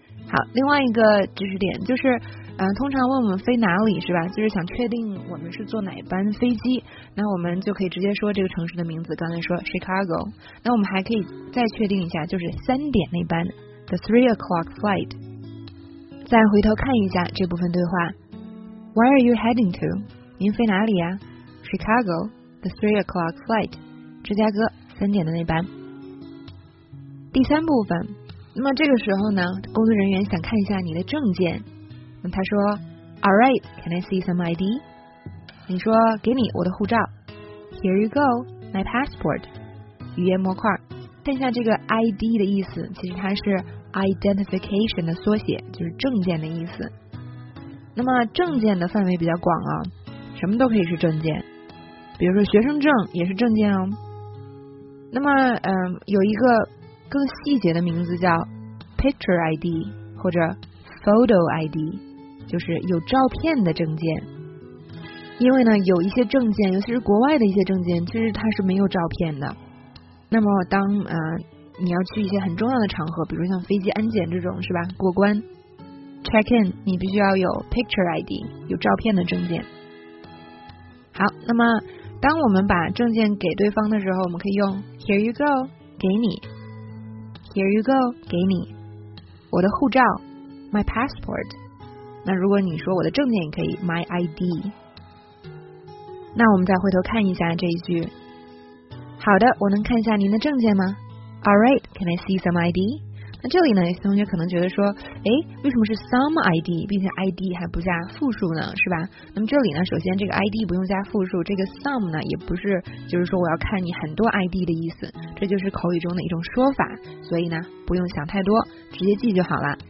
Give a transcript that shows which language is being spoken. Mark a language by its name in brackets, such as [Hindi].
[Chinese] 好，另外一个知识点就是通常问我们飞哪里，是吧？就是想确定我们是坐哪班飞机，那我们就可以直接说这个城市的名字，刚才说 Chicago。 那我们还可以再确定一下，就是三点那班 [English] the 3 o'clock flight. [Chinese] 再回头看一下这部分对话。 [English] Where are you heading to? [Chinese] 您飞哪里呀？ [English] Chicago, the 3 o'clock flight. [Chinese] 芝加哥三点的那班。第三部分，那么这个时候呢，工作人员想看一下你的证件。那他说 ， [English] All right, can I see some ID? [Chinese] 你说，给你我的护照。 [English] Here you go, my passport. [Chinese] 语言模块，看一下这个 ID 的意思，其实它是 identification 的缩写，就是证件的意思。那么证件的范围比较广啊，什么都可以是证件，比如说学生证也是证件哦。那么有一个更细节的名字叫 picture ID 或者 photo ID， 就是有照片的证件。因为呢，有一些证件，尤其是国外的一些证件，其实它是没有照片的。那么当你要去一些很重要的场合，比如像飞机安检这种是吧，过关 check in， 你必须要有 picture ID， 有照片的证件。好，那么当我们把证件给对方的时候，我们可以用 [English] here you go， [Chinese] 给你。 [English] Here you go， [Chinese] 给你我的护照 [English] my passport。 [Chinese] 那如果你说我的证件也可以 [English] my ID。 [Chinese] 那我们再回头看一下这一句。好的，我能看一下您的证件吗？ [English] Alright, can I see some ID? [Chinese] 那这里呢，有些同学可能觉得说，诶，为什么是 some ID， 并且 ID 还不加复数呢，是吧？那么这里呢，首先这个 ID 不用加复数，这个 some 呢，也不是就是说我要看你很多 ID 的意思，这就是口语中的一种说法，所以呢，不用想太多，直接记就好了。